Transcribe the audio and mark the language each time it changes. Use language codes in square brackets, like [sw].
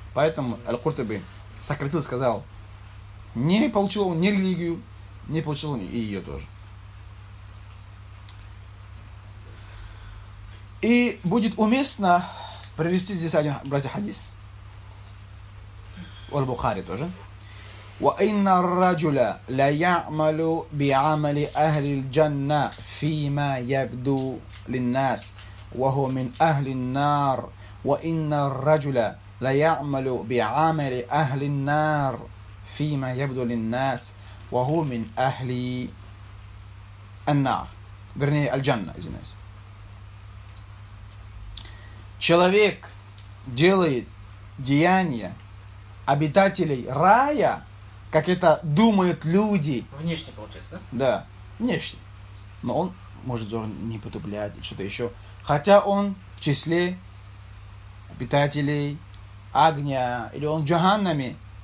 [ru] Поэтому Аль-Куртуби сократил и сказал, не получил он ни религию, не получил он и ее тоже. И будет уместно привести здесь один, братья, хадис. والبخاري тоже. [ar] وإن الرجل لا يعمل بعمل أهل الجنة فيما يبدو للناس وهو من أهل النار وإن الرجل لا يعمل بعمل أهل النار فيما يبدو للناس وهو من أهل النار. [ru] Вернее, الجنة, извиняюсь. Человек делает деяния обитателей рая, как это думают люди. Внешне получается, да? Да, внешне. Но он может взор не потуплять и что-то еще. Хотя он в числе обитателей огня, или он в джаханнаме.